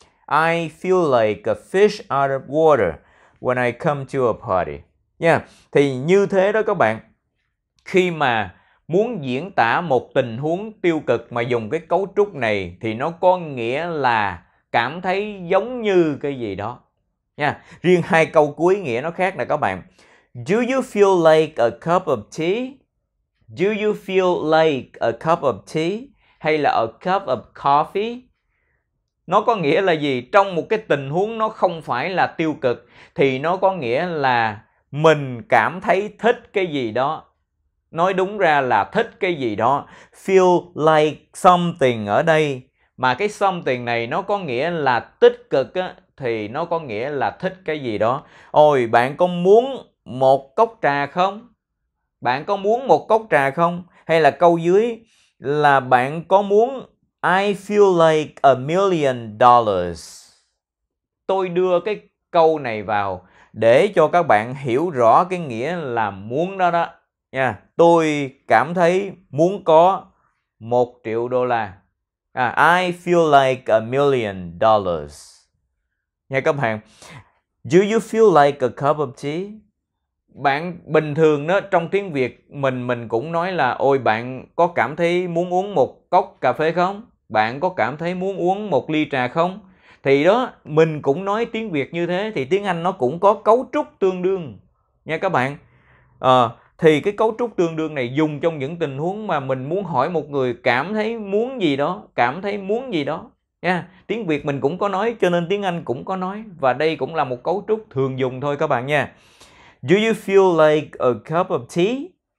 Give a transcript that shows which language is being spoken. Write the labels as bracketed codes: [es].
[en] I feel like a fish out of water when I come to a party. Yeah. [vi] Thì như thế đó các bạn. Khi mà muốn diễn tả một tình huống tiêu cực mà dùng cái cấu trúc này thì nó có nghĩa là cảm thấy giống như cái gì đó. Yeah. Riêng hai câu cuối nghĩa nó khác nè các bạn. [en] Do you feel like a cup of tea? Do you feel like a cup of tea? [vi] Hay là [en] a cup of coffee? [vi] Nó có nghĩa là gì? Trong một cái tình huống nó không phải là tiêu cực thì nó có nghĩa là mình cảm thấy thích cái gì đó. Nói đúng ra là thích cái gì đó. [en] Feel like something [vi] ở đây. Mà cái something này nó có nghĩa là tích cực á, thì nó có nghĩa là thích cái gì đó. Ôi, bạn có muốn một cốc trà không? Bạn có muốn một cốc trà không? Hay là câu dưới là bạn có muốn [en] I feel like $1,000,000. [vi] Tôi đưa cái câu này vào để cho các bạn hiểu rõ cái nghĩa là muốn đó đó nha. Tôi cảm thấy muốn có $1,000,000. [en] I feel like $1,000,000. [vi] Nha các bạn. [en] Do you feel like a cup of tea? [vi] Bạn bình thường đó, trong tiếng Việt mình cũng nói là ôi bạn có cảm thấy muốn uống một cốc cà phê không? Bạn có cảm thấy muốn uống một ly trà không? Thì đó, mình cũng nói tiếng Việt như thế thì tiếng Anh nó cũng có cấu trúc tương đương nha các bạn. Thì cái cấu trúc tương đương này dùng trong những tình huống mà mình muốn hỏi một người cảm thấy muốn gì đó, cảm thấy muốn gì đó nha. Tiếng Việt mình cũng có nói cho nên tiếng Anh cũng có nói và đây cũng là một cấu trúc thường dùng thôi các bạn nha. [en] Do you feel like a cup of tea?